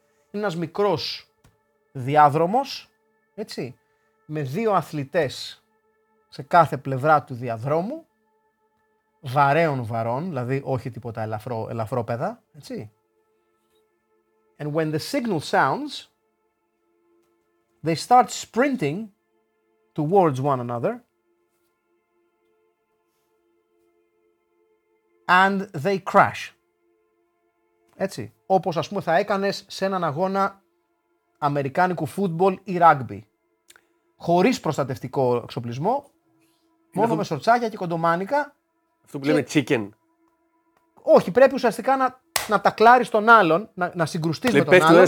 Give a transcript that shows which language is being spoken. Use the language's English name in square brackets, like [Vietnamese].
[Greek] Είναι ένας μικρός διάδρομος, έτσι, με δύο αθλητές σε κάθε πλευρά του διαδρόμου, βαρέων βαρών, δηλαδή όχι τίποτα ελαφρόπεδα, έτσι. [English] And when the signal sounds, they start sprinting towards one another and they crash. [Greek] Έτσι, όπως ας πούμε θα έκανες σε έναν αγώνα αμερικάνικου φούτμπολ ή ράγμπι. Χωρίς προστατευτικό εξοπλισμό, είναι μόνο με σορτσάκια και κοντομάνικα. Αυτό που λέμε chicken. Όχι, πρέπει ουσιαστικά να τακλάρεις τον άλλον, να συγκρουστείς με τον άλλον.